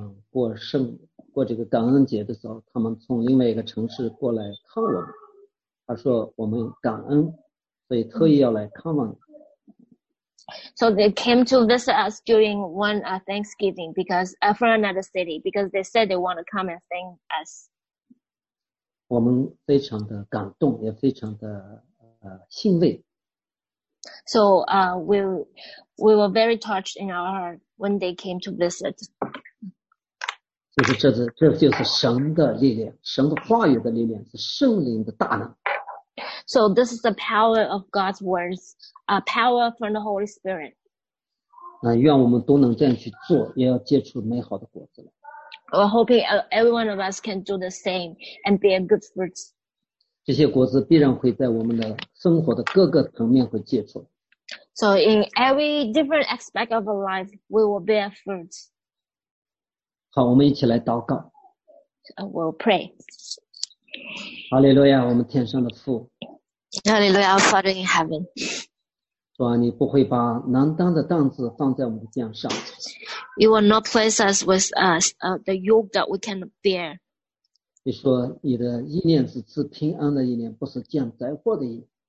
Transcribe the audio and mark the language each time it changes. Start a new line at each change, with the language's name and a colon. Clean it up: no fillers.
Chinese: 过这个感恩节的时候，他们从另外一个城市过来看我们。他说我们感恩，所以特意要来看望。
English: So they came to visit us during one Thanksgiving because from another city because they said they want to come and thank us.
Chinese: 我们非常的感动，也非常的欣慰。
English: So we were very touched in our heart when they came to visit.
Chinese: 就是这就是神的力量，神的话语的力量，是圣灵的大能。
English: So this is the power of God's words, a power from the Holy Spirit.
Chinese: 那愿我们都能这样去做，也要结出美好的果子来。
English: We're hoping every one of us can do the same and bear good fruits.
Chinese: 这些果子必然会在我们的生活的各个层面会结出。
English: So in every different aspect of our life, we will bear fruits.
Chinese: 好，我们一起来祷告。
English: We'll pray.
Chinese: 哈利路亚，我们天上的父。
English: 哈利路亚 ，Father in heaven.
Chinese: 主啊，你不会把难当的担子放在我们肩上。
English: You will not place us with the yoke that we cannot bear.
Chinese: 你说你的意念是赐平安的意念，不是降灾祸的意念。